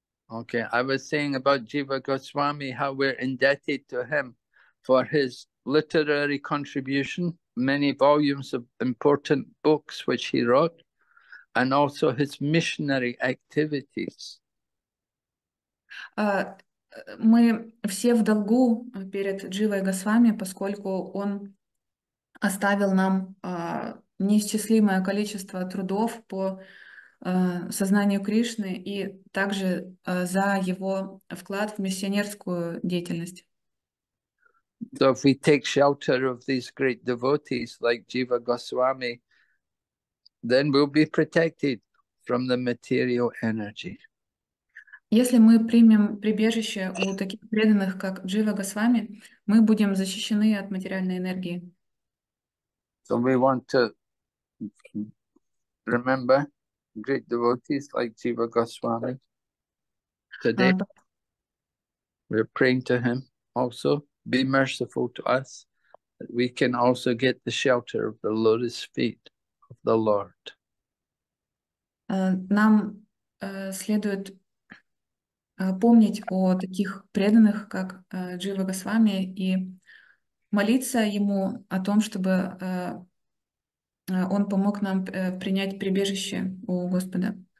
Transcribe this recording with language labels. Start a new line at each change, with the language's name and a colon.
English: Okay, I was saying about Jiva Goswami, how we're indebted to him for his literary contribution, many volumes of important books which he wrote, and also his missionary activities.
Russian: Мы все в долгу перед Дживой Госвами, поскольку он оставил нам неисчислимое количество трудов по сознанию Кришны и также за его вклад в миссионерскую деятельность.
English: So if we take shelter of these great devotees like Jiva Goswami, then we'll be protected from the material energy.
Russian: Если мы примем прибежище у таких преданных, как Джива Госвами, мы будем защищены от материальной энергии.
English: So we want to remember great devotees like Jiva Goswami. Today we're praying to him also, be merciful to us, that we can also get the shelter of the lotus feet. The Lord.
Russian: Нам следует помнить о таких преданных, как Джива Госвами, и молиться ему о том, чтобы он помог нам принять прибежище у Господа.